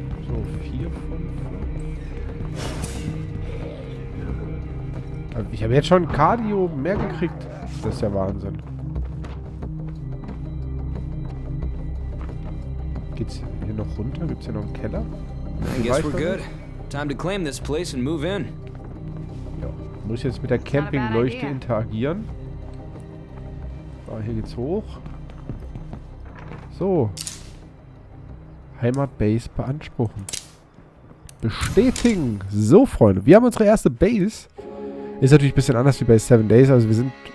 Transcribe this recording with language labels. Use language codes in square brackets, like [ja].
[de] So, vier von fünf. Ich habe jetzt schon Cardio mehr gekriegt. Das ist ja Wahnsinn. Geht's hier noch runter? Gibt's hier noch einen Keller? Ich denke, wir sind gut. [en] Time to claim this place and move in. [de] Ja, muss ich jetzt mit der Campingleuchte interagieren? Ah, hier geht's hoch. So. Heimatbase beanspruchen. Bestätigen. So, Freunde. Wir haben unsere erste Base. Ist natürlich ein bisschen anders wie bei 7 Days. Also wir sind...